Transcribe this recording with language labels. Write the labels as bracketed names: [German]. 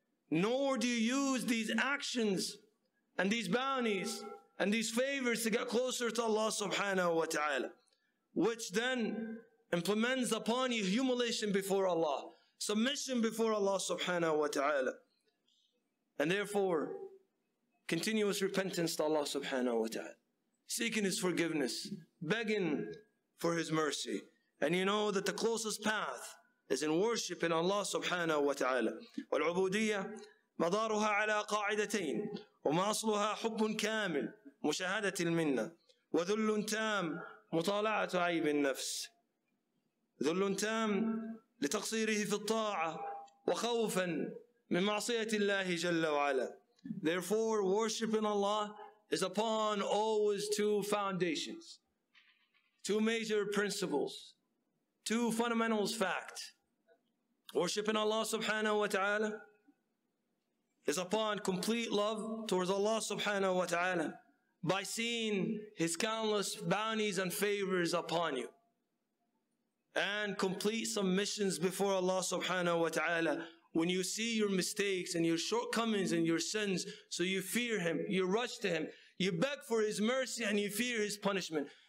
[English] nor do you use these actions and these bounties and these favors to get closer to Allah subhanahu wa ta'ala, which then implements upon you humiliation before Allah, submission before Allah subhanahu wa ta'ala, and therefore continuous repentance to Allah subhanahu wa ta'ala, seeking his forgiveness, begging for his mercy. And you know that the closest path is in worship in Allah subhanahu wa ta'ala. [Arabic] والعبودية مدارها على قاعدتين وما أصلها حب كامل مشاهدة المنة وذل تام مطالعة عيب النفس. ذل تام لتقصيره في الطاعة وخوفا من معصية الله جل وعلا. [English] Therefore worshiping Allah is upon always two foundations, two major principles, two fundamentals fact. Worshipping Allah subhanahu wa ta'ala is upon complete love towards Allah subhanahu wa ta'ala by seeing his countless bounties and favors upon you, and complete submissions before Allah subhanahu wa ta'ala when you see your mistakes and your shortcomings and your sins, so you fear him, you rush to him, you beg for his mercy and you fear his punishment.